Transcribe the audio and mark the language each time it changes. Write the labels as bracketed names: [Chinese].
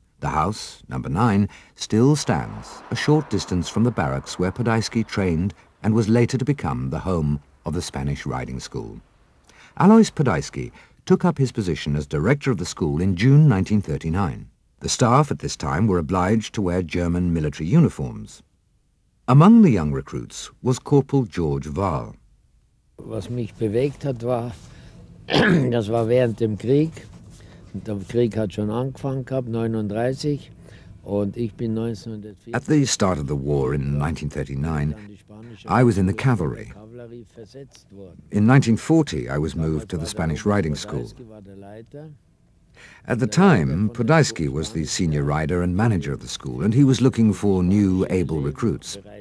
[English] The house, number 9, still stands a short distance from the barracks where Podaisky trained and was later to become the home of the Spanish riding school. Alois Podaisky took up his position as director of the school in June 1939. The staff at this time were obliged to wear German military uniforms. Among the young recruits was Corporal George Wahl. [German] Was mich bewegt hat, war, das war während dem Krieg. Der Krieg hat schon angefangen gehabt, 39, und ich bin 1940. [English] At the start of the war in 1939, I was in the cavalry. In 1940, I was moved to the Spanish Riding School. At the time, Podaisky was the senior rider and manager of the school, and he was looking for new, able recruits.